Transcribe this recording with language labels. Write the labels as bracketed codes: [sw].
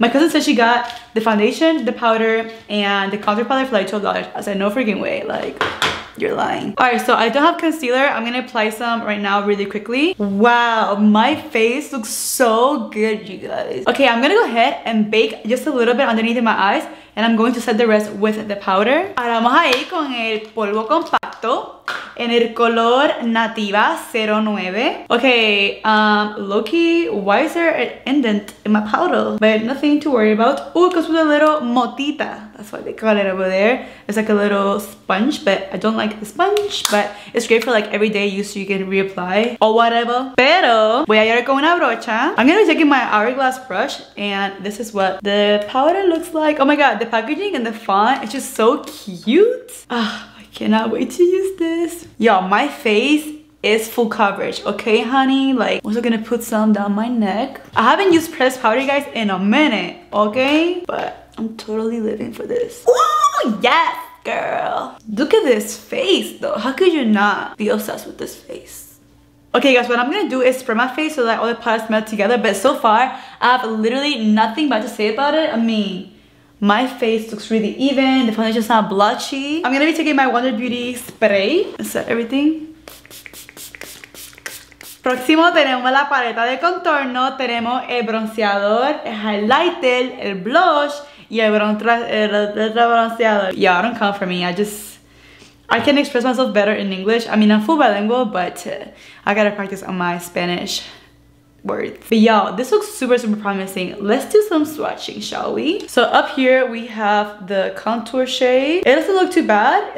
[en] My cousin said she got the foundation, the powder, and the contour powder for like $12. I said, no freaking way, like, you're lying. All right, so I don't have concealer. I'm gonna apply some right now really quickly. Wow, my face looks so good, you guys. Okay, I'm gonna go ahead and bake just a little bit underneath my eyes. and I'm going to set the rest with the powder. [es] Ahora vamos a ir con el polvo compacto en el color nativa 09. [en] Okay, Loki, why is there an indent in my powder? But nothing to worry about. Ooh, it comes with a little motita. That's why they got it over there. It's like a little sponge, but I don't like the sponge, but it's great for like everyday use so you can reapply or whatever. [es] Pero voy a ir con una brocha. [en] I'm gonna be taking my hourglass brush, and this is what the powder looks like. Oh my god, the packaging and the font, it's just so cute. Cannot wait to use this. Y'all, my face is full coverage. Okay, honey? Like, I'm also gonna put some down my neck. I haven't used pressed powder, you guys, in a minute. Okay? But I'm totally living for this. Ooh, yes, girl. Look at this face, though. How could you not be obsessed with this face? Okay, guys, what I'm gonna do is spray my face so that all the powders melt together. But so far, I have literally nothing bad to say about it. I mean, my face looks really even, the foundation's not blotchy. I'm gonna be taking my Wonder Beauty spray and set everything. [es] Próximo tenemos la paleta de contorno, tenemos el bronceador, el highlighter, el blush, y el bronceador. [en] Yeah, don't count for me, I can express myself better in English. I mean, I'm full bilingual, but I gotta practice on my Spanish words. But y'all, this looks super, super promising. Let's do some swatching, shall we? So up here, we have the contour shade. It doesn't look too bad.